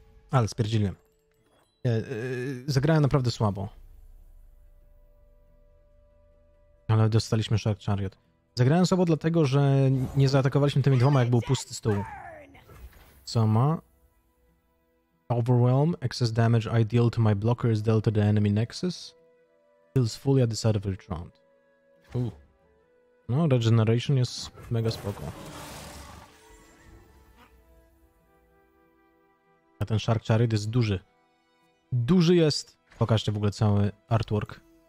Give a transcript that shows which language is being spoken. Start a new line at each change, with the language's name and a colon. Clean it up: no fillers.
Polish: Ale spierdzili. Zagrałem naprawdę słabo. Ale dostaliśmy Shark Chariot. Zagrałem słabo dlatego, że nie zaatakowaliśmy tymi dwoma, jak był pusty stół. Co ma?
English: Overwhelm, excess damage I deal to my blocker is dealt to the enemy nexus. Heals fully at the start of each round.
Polish: No, regeneration jest mega spoko. A ten Shark Chariot jest duży. Duży jest! Pokażcie w ogóle cały artwork.